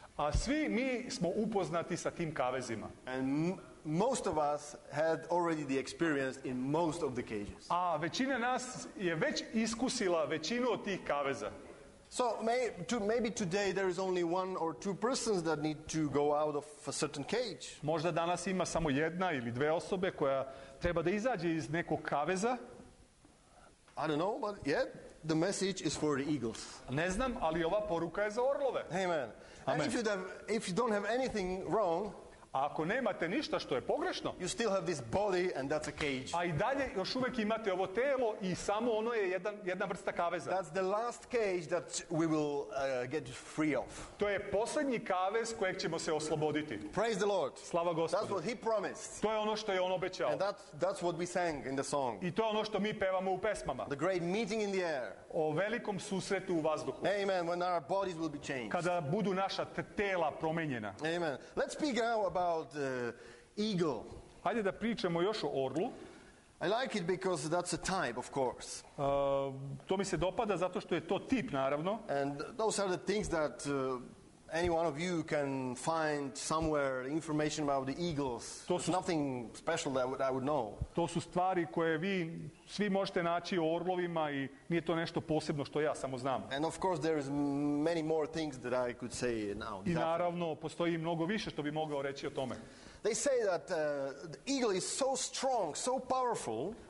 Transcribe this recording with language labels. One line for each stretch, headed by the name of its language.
Serbian: A svi mi smo upoznati sa tim kavezima.
English: And most of us had already the experience in most of the cages.
Serbian: A većina nas je već iskusila većinu od tih kaveza.
English: So maybe today there is only one or two persons that need to go out of a certain cage.
Serbian: Možda danas ima samo jedna ili dve osobe koja treba da izađe iz nekog kaveza.
English: I don't know, but yet the message is for the eagles.
Serbian: Ne znam, ali ova poruka je za orlove.
English: Amen. And if you don't have anything wrong,
Serbian: a ako nemate ništa što je pogrešno,
English: you still have this body and that's a cage.
Serbian: A i dalje još uvek imate ovo telo i samo ono je jedna vrsta kaveza.
English: That's the last cage that we will get free of.
Serbian: To je poslednji kavez kojeg ćemo se osloboditi.
English: Praise the Lord.
Serbian: Slava Gospodu.
English: That's what he promised.
Serbian: To je ono što je on obećao.
English: And that's what we sang in the song.
Serbian: I to je ono što mi pevamo u pesmama.
English: The great meeting in the air.
Serbian: O velikom susretu u vazduhu.
English: Amen. When our bodies will be changed.
Serbian: Kada budu naša tela promenjena.
English: Amen. Let's speak now about eagle.
Serbian: Hajde da pričamo još o orlu.
English: I like it because that's a type, of course.
Serbian: To mi se dopada zato što je to tip, naravno.
English: And those are the things that any one of you can find somewhere information about the eagles. There's nothing special that I would know.
Serbian: To su stvari koje vi svi možete naći o orlovima i nije to nešto posebno što ja samo znam.
English: And of course there is many more things that I could say now.
Serbian: I naravno postoji mnogo više što bi mogao reći o tome.
English: They say that the eagle is so strong, so powerful.